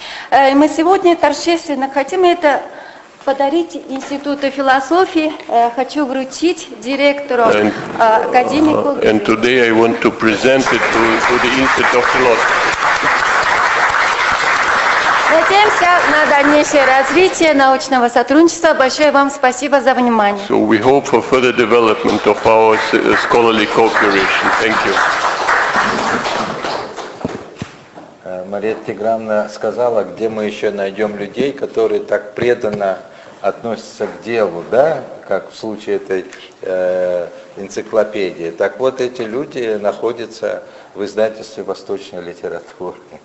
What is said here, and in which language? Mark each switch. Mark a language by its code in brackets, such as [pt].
[ru] Мы сегодня торжественно хотим это подарить Институту философии, хочу вручить директору академику. [en] And today I want to present it to the Institute of Philosophy. [ru] Надеемся на дальнейшее развитие научного сотрудничества. Большое вам спасибо за внимание. [en] So we hope for further development of our scholarly cooperation. Thank you. [ru] Мария Тигранна сказала, где мы еще найдем людей, которые так преданно относятся к делу, да, как в случае этой энциклопедии. Так вот, эти люди находятся в издательстве восточной литературы.